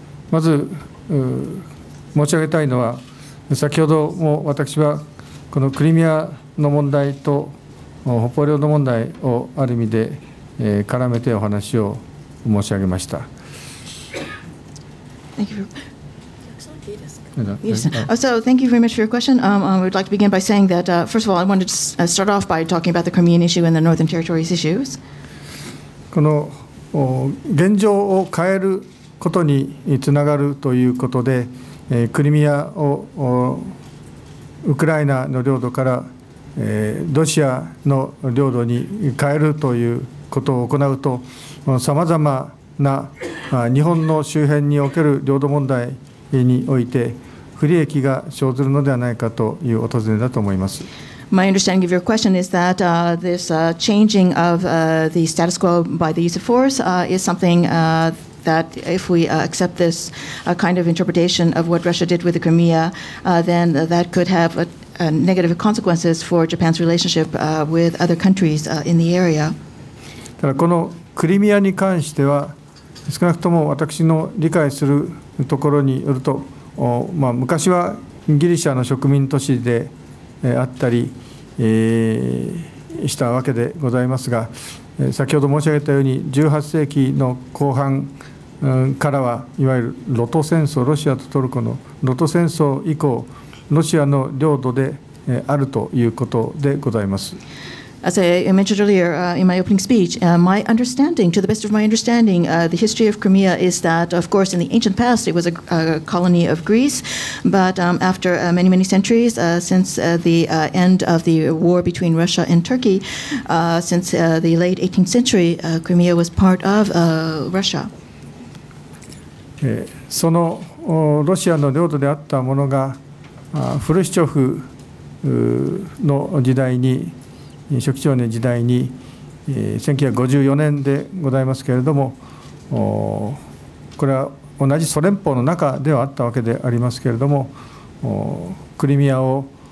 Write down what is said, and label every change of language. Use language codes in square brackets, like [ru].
[ja] まず申し上げたいのは、先ほども私はこのクリミアの問題と北方領土問題をある意味で、絡めてお話を申し上げました。 [en] Thank you. Yes. So thank you very much for your question. I would like to begin by saying that, first of all, I wanted to start off by talking about the Crimean issue and the Northern Territories issues. [ja] この現状を変えることにつながるということで、クリミアをウクライナの領土からロシアの領土に変えるということを行うと、さまざまな日本の周辺における領土問題において不利益が生ずるのではないかというお尋ねだと思います。 [en] My understanding of your question is that this changing of the status quo by the use of force is something that if we accept this kind of interpretation of what Russia did with the Crimea, then that could have negative consequences for Japan's relationship with other countries in the area. [ja] ただこのクリミアに関しては少なくとも私の理解するところによると、まあ、昔はギリシャの植民都市であったりしたわけでございますが、先ほど申し上げたように18世紀の後半からはいわゆるロト戦争、ロシアとトルコのロト戦争以降、ロシアの領土であるということでございます。 [en] As I mentioned earlier in my opening speech, my understanding, to the best of my understanding, the history of Crimea is that, of course, in the ancient past, it was a colony of Greece. But after many, many centuries, since the end of the war between Russia and Turkey, since the late 18th century, Crimea was part of Russia. [ja] そのロシアの領土であったものがフルシチョフの時代に初期長年時代に1954年でございますけれども、これは同じソ連邦の中ではあったわけでありますけれども、クリミアを